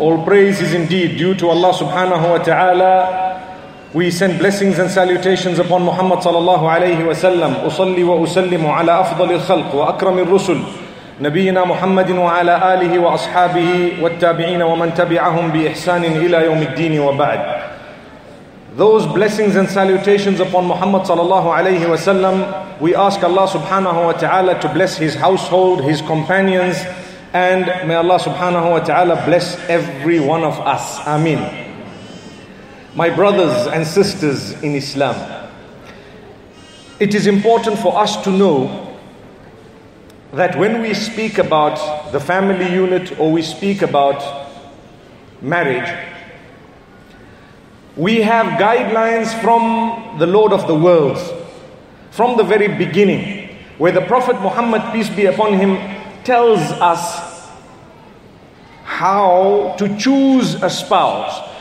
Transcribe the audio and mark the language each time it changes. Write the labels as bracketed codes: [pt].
[en] All praise is indeed due to Allah subhanahu wa ta'ala. We send blessings and salutations upon Muhammad sallallahu alayhi wa sallam. [ar] أصلي وأسلم على أفضل الخلق وأكرم الرسل نبينا محمد وعلى آله وأصحابه والتابعين ومن تبعهم بإحسان إلى يوم الدين وبعد. [en] Those blessings and salutations upon Muhammad sallallahu alayhi wa sallam, we ask Allah subhanahu wa ta'ala to bless his household, his companions, and may Allah subhanahu wa ta'ala bless every one of us. Ameen. My brothers and sisters in Islam, it is important for us to know that when we speak about the family unit or we speak about marriage, we have guidelines from the Lord of the worlds, from the very beginning, where the Prophet Muhammad, peace be upon him, tells us how to choose a spouse.